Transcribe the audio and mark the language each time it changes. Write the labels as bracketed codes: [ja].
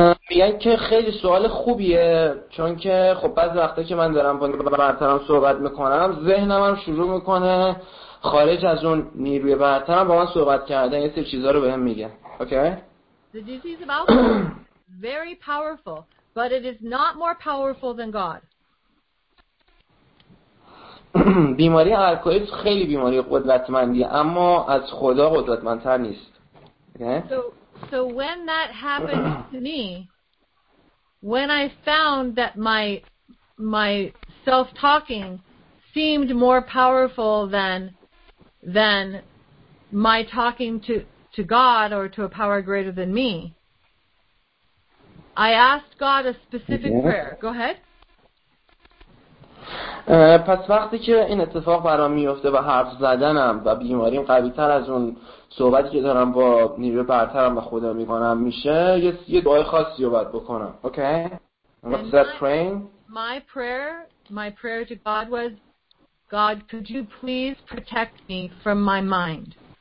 [fa] میگن که خیلی سوال خوبیه، چون که خب بعضی وقتا که من دارم با برترم صحبت میکنم، ذهنم هم شروع میکنه خارج از اون نیروی برترم با من صحبت کردن، یه سری چیزها رو بهم میگه. [en] Okay? The disease of alcohol is very powerful, but it is not more powerful than God. [fa] بیماری الکلیسم خیلی بیماری قدرتمندیه، اما از خدا قدرتمندتر نیست. [en] So when that happened to me, when I found that my self-talking seemed more powerful than my talking to God or to a power greater than me, I asked God a specific prayer. Go ahead. [fa] پس وقتی که این اتفاق برام میفته و حرف زدنم و بیماریم قوی تر از اون صحبتی که دارم با نیروی برترم و خدا میگنم میشه، یه دعای خاصی رو باید بکنم. [en] Okay. What's that praying? My prayer to God was, God, could you please protect me from my mind?